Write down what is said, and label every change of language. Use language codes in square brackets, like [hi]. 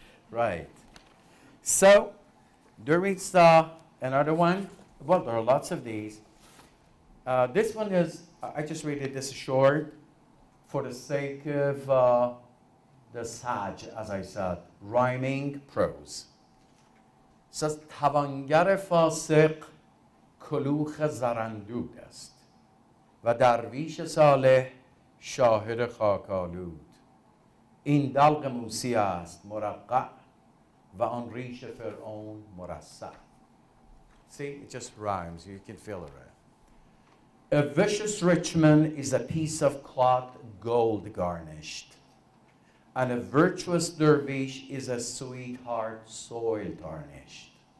[en] Right. So, there is another one. Well, there are lots of these. This one is, I just read it, this is short, for the sake of the Saj, as I said, rhyming prose. It says, [fa] توانگر فاسق کلوخ زرندود است و درویش صالح شاهد خاک‌آلود. این دلق موسی است مرقع و آن ریش فرعون مرصع. [en] See, it just rhymes, you can feel it right. A vicious rich man is a piece of cloth gold garnished, and a virtuous dervish is a sweetheart soil tarnished.